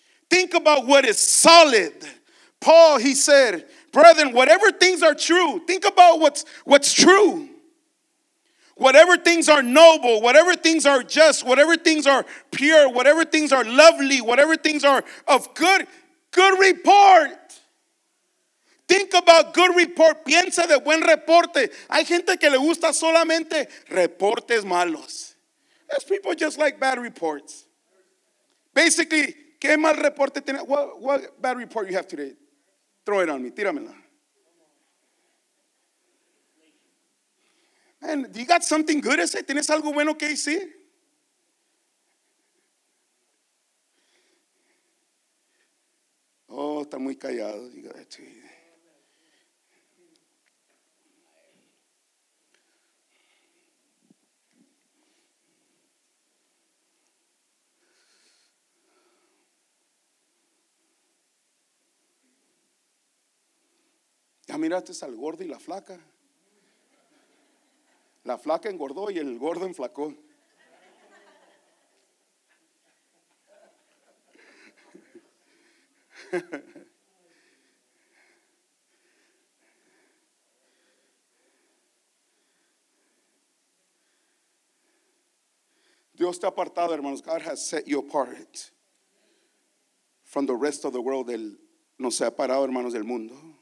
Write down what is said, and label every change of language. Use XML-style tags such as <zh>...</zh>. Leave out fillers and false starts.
<en>Think about what is solid. Paul, he said, brethren, whatever things are true, think about what's true. Whatever things are noble, whatever things are just, whatever things are pure, whatever things are lovely, whatever things are of good report. Think about good report.</en> <es>Piensa de buen reporte. Hay gente que le gusta solamente reportes malos.</es> <en>Those people just like bad reports.</en> <es>Basically, ¿qué mal reporte tiene?</es> <en>What bad report you have today? Throw it on me.</en> <es>Tíramela.</es> <en>Man, do you got something good to say?</en> <es>¿Tienes algo bueno que decir? Oh, está muy callado.</es> <en>You got to.</en> <es>Ya miraste al gordo y la flaca. La flaca engordó y el gordo enflacó. Dios te ha apartado, hermanos.</es> <en>God has set you apart from the rest of the world.</en> <es>Él nos ha parado, hermanos, del mundo.</es>